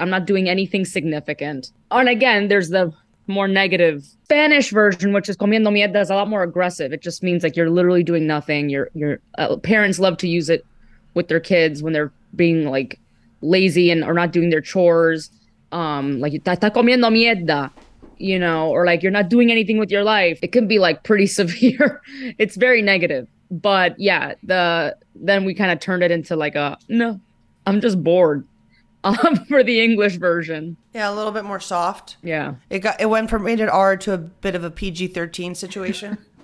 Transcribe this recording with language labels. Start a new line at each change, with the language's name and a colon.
English: I'm not doing anything significant. And again, there's the more negative Spanish version, which is
Spanish: comiendo mierda,
English: is a lot more aggressive. It just means like you're literally doing nothing. Your parents love to use it with their kids when they're being like lazy and are not doing their chores. Like,
Spanish: está comiendo mierda.
English: You know, or like, you're not doing anything with your life. It can be like pretty severe. It's very negative. But yeah, then we kind of turned it into like a, no, I'm just bored for the English version. Yeah, a little bit more soft. Yeah. It went from rated R to a bit of a PG-13 situation.